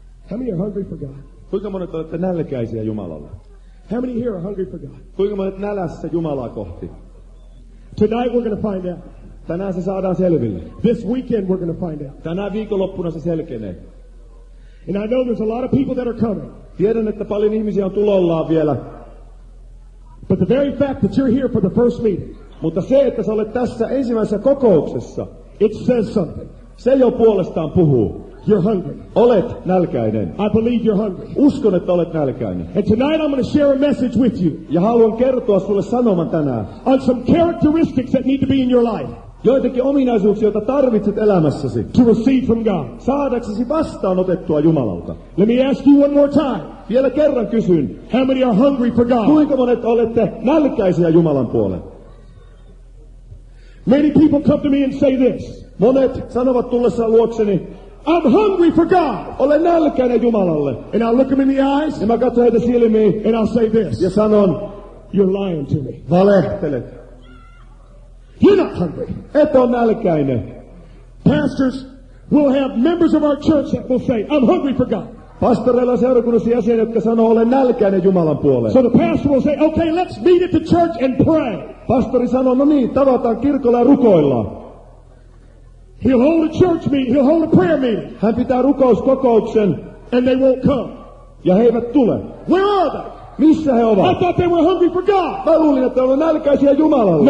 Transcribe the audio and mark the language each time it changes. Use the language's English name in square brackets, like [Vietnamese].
[English] How many are hungry for God? [Finnish] Kuinka monet olette nälkäisiä Jumalalle? [English] How many here are hungry for God? [Finnish] Kuinka monet nälässä Jumalaa kohti? [English] Tonight we're going to find out. [Finnish] Tänään se saadaan selville. [English] This weekend we're going to find out. [Finnish] Tänään viikonloppuna se selkenee. [English] And I know there's a lot of people that are coming. [Finnish] Tiedän, että paljon ihmisiä on tulollaan vielä. [English] But the very fact that you're here for the first meeting. [Finnish] Mutta se, että sä olet tässä ensimmäisessä kokouksessa. [English] It says something. [Finnish] Se jo puolestaan puhuu. [English] You're hungry. [Finnish] Olet nälkäinen. [English] I believe you're hungry. [Finnish] Uskon, että olet nälkäinen. [English] And tonight I'm going to share a message with you. [Finnish] Ja haluan kertoa sulle sanoman tänään. [English] On some characteristics that need to be in your life. [Finnish] Joitakin ominaisuuksia, joita tarvitset elämässäsi. [English] To receive from God. [Finnish] Saadaksesi vastaanotettua Jumalalta. [English] Let me ask you one more time. [Finnish] Vielä kerran kysyn. [English] How many are hungry for God? [Finnish] Kuinka monet olette nälkäisiä Jumalan puoleen? [English] Many people come to me and say this. [Finnish] Monet sanovat tullessaan luokseni. [English] I'm hungry for God. [Finnish] Olen nälkäinen Jumalalle. [English] And I look him in the eyes. [Finnish] Ja mä katson heitä silmiin. [English] And I'll say this. [Finnish] Ja sanon. [English] You're lying to me. [Finnish] Valehtelet. [English] You're not hungry. [Finnish] Et ole nälkäinen. [English] Pastors will have members of our church that will say, I'm hungry for God. [Finnish] Pastoreilla on seurakunnassa jäsen, jotka sanoo, olen nälkäinen Jumalan puoleen. [English] So the pastor will say, okay, let's meet at the church and pray. [Finnish] Pastori sanoo, no niin, tavataan kirkolla ja rukoillaan. [English] He'll hold a church meeting, he'll hold a prayer meeting. [Finnish] Hän pitää rukouskokouksen. [English] And they won't come. [Finnish] Ja he eivät tule. [English] Where are they? [Finnish] Missä he ovat? [English] I thought they were hungry for God. [Finnish] Mä luulin, että olivat nälkäisiä Jumalalle.